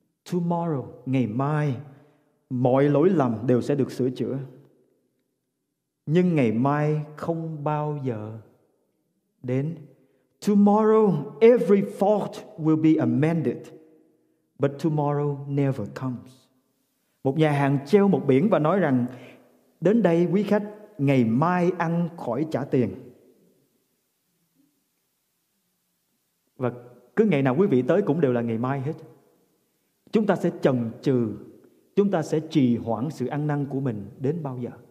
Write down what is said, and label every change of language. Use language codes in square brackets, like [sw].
[vi] Tomorrow, ngày mai mọi lỗi lầm đều sẽ được sửa chữa. Nhưng ngày mai không bao giờ đến. [en] Tomorrow, every fault will be amended, but tomorrow never comes. [vi] Một nhà hàng treo một biển và nói rằng, đến đây quý khách, ngày mai ăn khỏi trả tiền. Và cứ ngày nào quý vị tới cũng đều là ngày mai hết. Chúng ta sẽ chần chừ, chúng ta sẽ trì hoãn sự ăn năn của mình đến bao giờ?